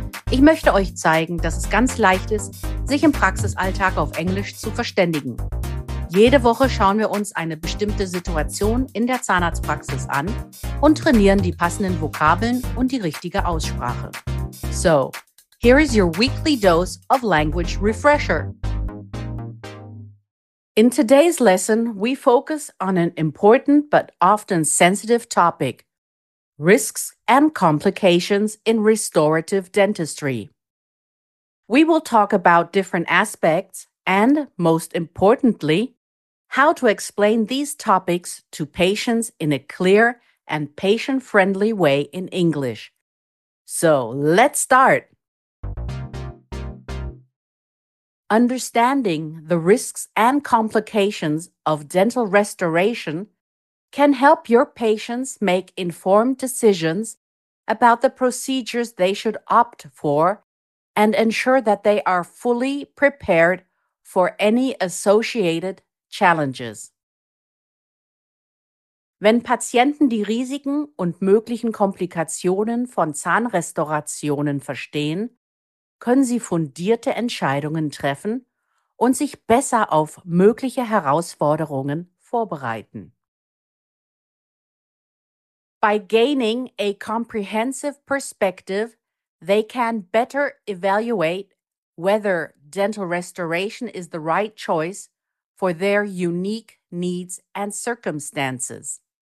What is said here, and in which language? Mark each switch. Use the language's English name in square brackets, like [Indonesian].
[German] Ich möchte euch zeigen, dass es ganz leicht ist, sich im Praxisalltag auf Englisch zu verständigen. Jede Woche schauen wir uns eine bestimmte Situation in der Zahnarztpraxis an und trainieren die passenden Vokabeln und die richtige Aussprache. [English] So, here is your weekly dose of language refresher. In today's lesson, we focus on an important but often sensitive topic, risks and complications in restorative dentistry. We will talk about different aspects and, most importantly, how to explain these topics to patients in a clear and patient-friendly way in English. So, let's start! Understanding the risks and complications of dental restoration can help your patients make informed decisions about the procedures they should opt for and ensure that they are fully prepared for any associated challenges. [German] Wenn Patienten die Risiken und möglichen Komplikationen von Zahnrestaurationen verstehen, können Sie fundierte Entscheidungen treffen und sich besser auf mögliche Herausforderungen vorbereiten. [English] By gaining a comprehensive perspective, they can better evaluate whether dental restoration is the right choice for their unique needs and circumstances.